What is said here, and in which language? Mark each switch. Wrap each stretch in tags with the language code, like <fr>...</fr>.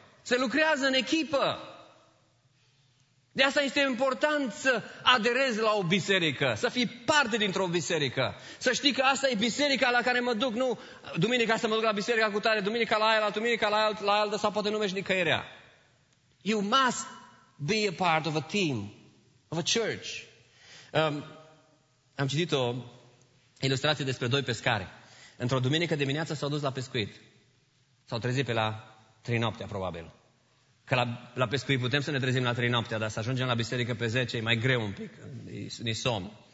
<ro>Se lucrează în echipă. De asta este important să aderezi la o biserică, să fii parte dintr-o biserică. Să știi că asta e biserica la care mă duc, nu duminica să mă duc la biserica cu tare, duminica la aia, la duminica la altă, sau poate numești nicăierea.</ro> <en>You must be a part of a team, of a church.</en> <ro>Am citit o ilustrație despre doi pescari. Într-o duminică dimineață s-au dus la pescuit. S-au trezit pe la 3 noaptea, probabil. Că la pescuit putem să ne trezim la 3 noaptea, dar să ajungem la biserică pe 10 e mai greu un pic, ni somn.</ro>